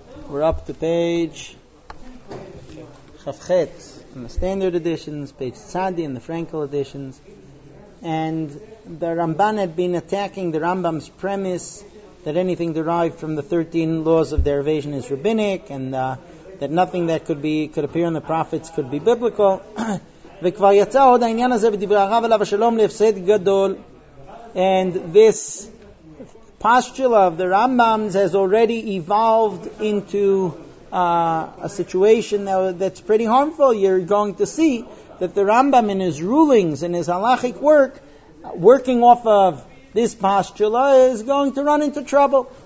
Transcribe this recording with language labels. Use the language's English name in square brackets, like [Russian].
[English] We're up to page Chafchet in the standard editions, page Tzadi in the Frankel editions. And the Ramban had been attacking the Rambam's premise that anything derived from the 13 laws of derivation is rabbinic, and that nothing that could appear in the prophets could be biblical. [Hebrew] וכבר יצא עוד העניין הזה בדברי הרב עליו השלום להפסד גדול. [English] And this postula of the Rambam's has already evolved into a situation that's pretty harmful. You're going to see that the Rambam in his rulings, in his halachic work, working off of this postula, is going to run into trouble.